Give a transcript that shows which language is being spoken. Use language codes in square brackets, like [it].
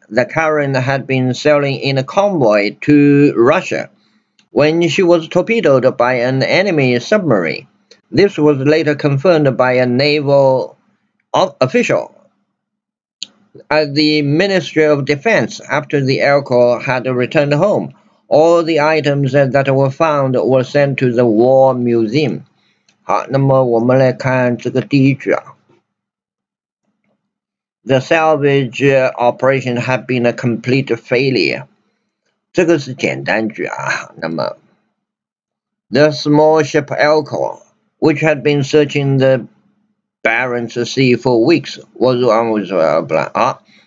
[en] The Charon had been sailing in a convoy to Russia when she was torpedoed by an enemy submarine. This was later confirmed by a naval official at the Ministry of Defense after the Elcor had returned home. All the items that were found were sent to the War Museum. [zh] 好，那么我们来看这个第一句啊。 [en] The salvage operation had been a complete failure. [zh] 这个是简单句啊。那么 [en] The small ship Elcor,which had been searching the Barents Sea for weeks, was on its way home.